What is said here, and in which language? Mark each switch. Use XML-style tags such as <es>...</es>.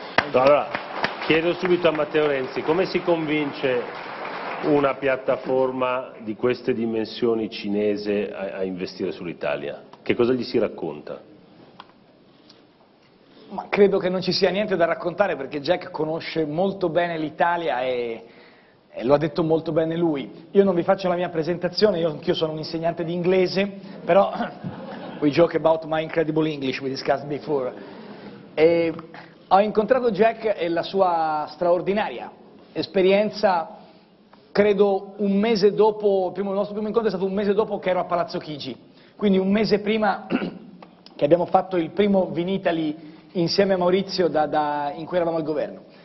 <it>Allora, chiedo subito a Matteo Renzi, come si convince una piattaforma di queste dimensioni cinese a investire sull'Italia? Che cosa gli si racconta? Ma credo che non ci sia niente da raccontare, perché Jack conosce molto bene l'Italia e lo ha detto molto bene lui. Io non vi faccio la mia presentazione, anch'io sono un insegnante di inglese, però...</it> <en>We joke about my incredible English, we discussed before.</en> <it>E ho incontrato Jack e la sua straordinaria esperienza, credo un mese dopo, il nostro primo incontro è stato un mese dopo che ero a Palazzo Chigi, quindi un mese prima che abbiamo fatto il primo Vinitaly insieme a Maurizio in cui eravamo al governo.</it>